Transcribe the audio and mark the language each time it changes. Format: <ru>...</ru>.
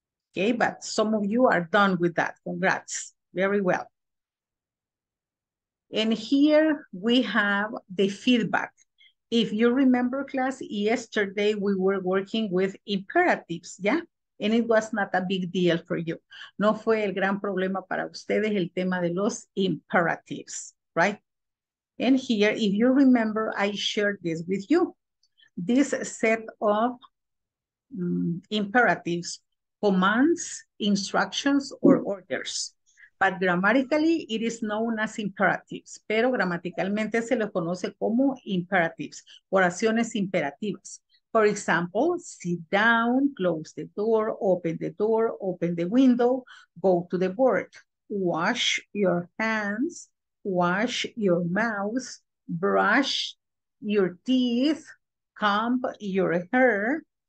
<en>Okay, but some of you are done with that. Congrats. Very well. And here we have the feedback. If you remember, class, yesterday we were working with imperatives, yeah? And it was not a big deal for you.</en> <es>No fue el gran problema para ustedes el tema de los imperatives, right?</es> <en>And here, if you remember, I shared this with you. This set of imperatives, commands, instructions, or orders. But grammatically, it is known as imperatives.</en> <es>Pero gramaticalmente se los conoce como imperatives, oraciones imperativas.</es> <en>For example, sit down, close the door, open the door, open the window, go to the board, wash your hands, wash your mouth, brush your teeth, comb your hair,</en>